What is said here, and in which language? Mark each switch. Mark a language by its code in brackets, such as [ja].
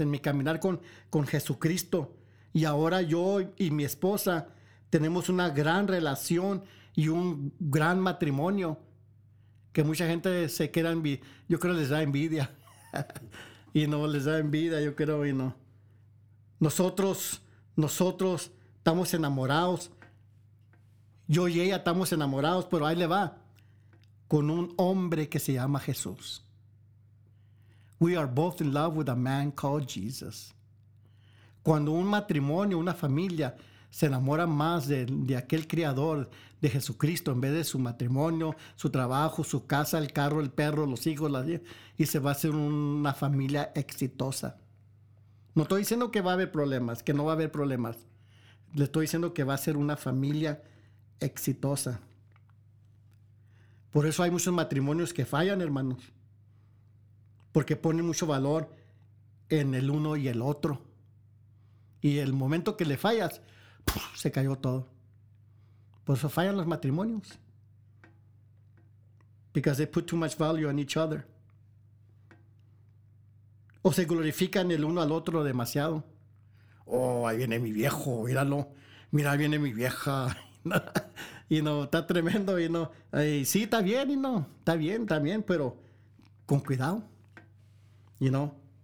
[es] En mi caminar con Jesucristo. Y ahora yo y mi esposa tenemos una gran relación y un gran matrimonio que mucha gente se queda envidia. Yo creo que les da envidia. Y no les da envidia, yo creo, y no. Nosotros estamos enamorados. Yo y ella estamos enamorados, pero ahí le va. Con un hombre que se llama Jesús. [en] We are both in love with a man called Jesus. [es] Cuando un matrimonio, una familia se enamora más de aquel Creador, de Jesucristo, en vez de su matrimonio, su trabajo, su casa, el carro, el perro, los hijos, y se va a hacer una familia exitosa. No estoy diciendo que va a haber problemas, que no va a haber problemas. Le estoy diciendo que va a ser una familia exitosa. Por eso hay muchos matrimonios que fallan, hermanos. Porque ponen mucho valor en el uno y el otro. Y el momento que le fallas, se cayó todo. Por eso fallan los matrimonios. [en] Because they put too much value on each other. [es] O se glorifican el uno al otro demasiado. Oh, ahí viene mi viejo, míralo. Mira, ahí viene mi vieja. Y no, está tremendo. Y no, sí, está bien, y no. Está bien, pero con cuidado. Y no.